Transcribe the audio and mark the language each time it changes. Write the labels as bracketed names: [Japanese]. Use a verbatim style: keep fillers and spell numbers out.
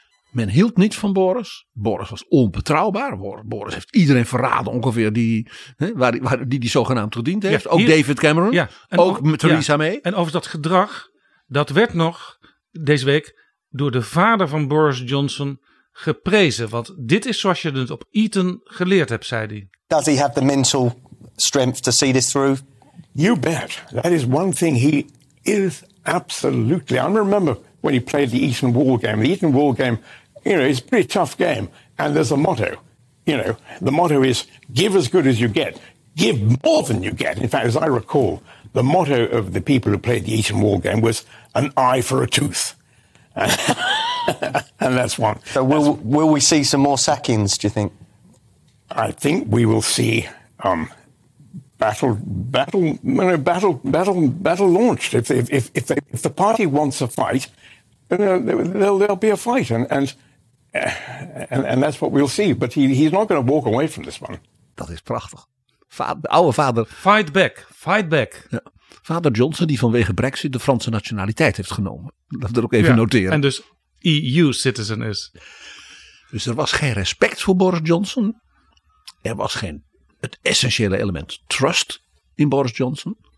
[Dutch] Men hield niet van Boris. Boris was onbetrouwbaar. Boris heeft iedereen verraden ongeveer die hè, waar die, waar die, die zogenaamd gediend heeft. Ja, hier, ook David Cameron, ja, en ook over, Theresa ja, May. En over dat gedrag, dat werd nog deze week door de vader van Boris Johnson geprezen. Want dit is zoals je het op Eton geleerd hebt, zei hij. [English] Does he have the mental strength to see this through? You bet. That is one thing he is absolutely. I remember when he played the Eton Wall game. The Eton Wall game, you know, is a pretty tough game. And there's a motto. You know, the motto is give as good as you get. Give more than you get. In fact, as I recall, the motto of the people who played the Eton Wall game was an eye for a tooth. And that's one. So will will we see some more sackings, do you think? I think we will see um, battle battle you know, battle battle battle launched. If if if if, they, if the party wants a fight, you know, there'll, there'll be a fight, and and, and and that's what we'll see. But he he's not going to walk away from this one. [Dutch] Dat is prachtig. Va- de oude vader. [English] Fight back, fight back. [Dutch] Ja. Vader Johnson die vanwege Brexit de Franse nationaliteit heeft genomen. Laten we dat ook even ja, noteren. En dus E U-citizen is. Dus er was geen respect voor Boris Johnson. Er was geen, het essentiële element trust in Boris Johnson.